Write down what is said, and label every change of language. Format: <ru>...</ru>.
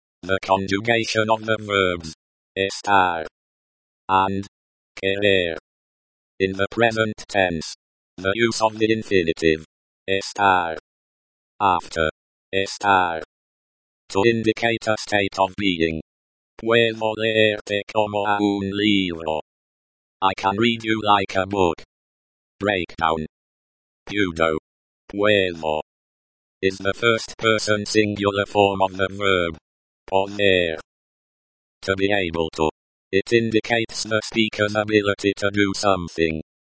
<en>The conjugation of the verbs estar and querer. In the present tense, the use of the infinitive estar after estar to indicate a state of being.</en> <es>Puedo leerte como a un libro.</es> <en>I can read you like a book. Breakdown. Pudo. Puedo. Is the first person singular form of the verb poder. To be able to. It indicates the speaker's ability to do something.</en>